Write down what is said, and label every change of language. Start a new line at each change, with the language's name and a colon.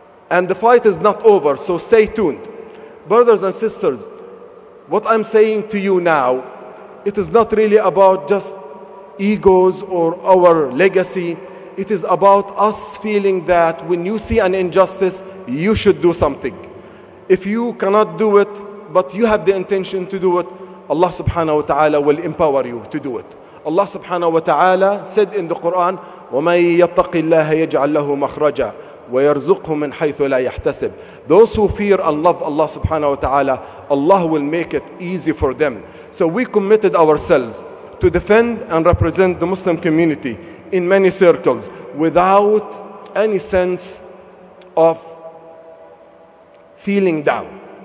English: And the fight is not over, so stay tuned. Brothers and sisters, what I'm saying to you now, it is not really about just egos or our legacy. It is about us feeling that when you see an injustice, you should do something. If you cannot do it, but you have the intention to do it, Allah
Arabic: subhanahu wa ta'ala
English: will empower you to do it. Allah subhanahu wa ta'ala said in the Quran,
Arabic: وَمَن يَتَّقِ اللَّهَ يَجْعَلْ لَهُ مَخْرَجًا وَيَرْزُقْهُ مِنْ حَيْثُ لَا يَحْتَسِبْ.
English: Those who fear and love Allah
Arabic: subhanahu wa ta'ala,
English: Allah will make it easy for them. So we committed ourselves to defend and represent the Muslim community in many circles without any sense of feeling down.